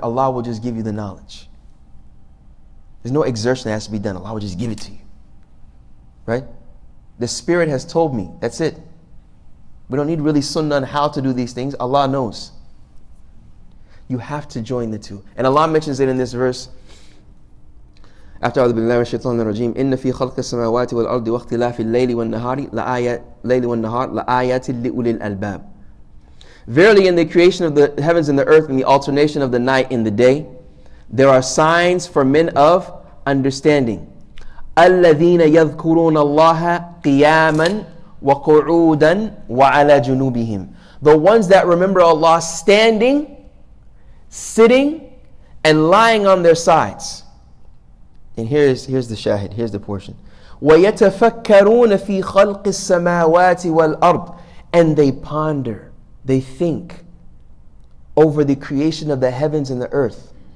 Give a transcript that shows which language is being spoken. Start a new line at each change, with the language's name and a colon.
English: Allah will just give you the knowledge. There's no exertion that has to be done. Allah will just give it to you. Right? The Spirit has told me. That's it. We don't need really sunnah on how to do these things. Allah knows. You have to join the two. And Allah mentions it in this verse. After
Arabic: أعوذ بالله من الشيطان الرجيم إن في خلق السماوات والأرض واختلاف الليل والنهار ليل والنهار لآيات لأولي الألباب.
English: Verily in the creation of the heavens and the earth and the alternation of the night and the day, there are signs for men of understanding.
Arabic: الذين يذكرون الله قياما وقعودا وعلى جنوبهم.
English: The ones that remember Allah standing, sitting, and lying on their sides. And here's the shahid, here's the portion.
Arabic: وَيَتَفَكَّرُونَ فِي خَلْقِ السَّمَاوَاتِ وَالْأَرْضِ.
English: And they ponder, they think over the creation of the heavens and the earth.